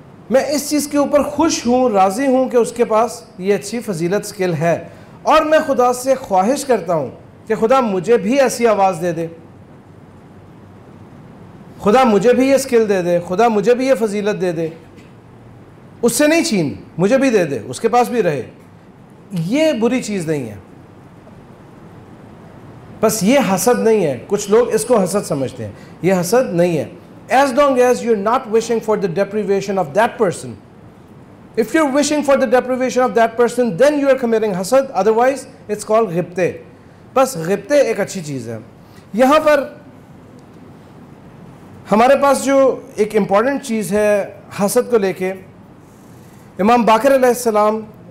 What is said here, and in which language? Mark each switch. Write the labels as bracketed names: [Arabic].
[Hindi] मैं इस चीज़ के ऊपर खुश हूँ, राज़ी हूँ कि उसके पास ये अच्छी फजीलत स्किल है, और मैं खुदा से ख्वाहिश करता हूँ कि खुदा मुझे भी ऐसी आवाज़ दे दे, खुदा मुझे भी ये स्किल दे दे, खुदा मुझे भी ये फजीलत दे दे, उससे नहीं छीन, मुझे भी दे दे, उसके पास भी रहे, ये बुरी चीज़ नहीं है। बस ये हसद नहीं है, कुछ लोग इसको हसद समझते हैं, ये हसद नहीं है। [English] As long as you're not wishing for the deprivation of that person, if you're wishing for the deprivation of that person, then you are committing hasad. Otherwise, it's called ghibte. [Hindi] बस ghibte एक अच्छी चीज़ है। यहाँ पर हमारे पास जो एक important चीज़ है hasad को लेके, इमाम बाकर अलैहिस्सलाम,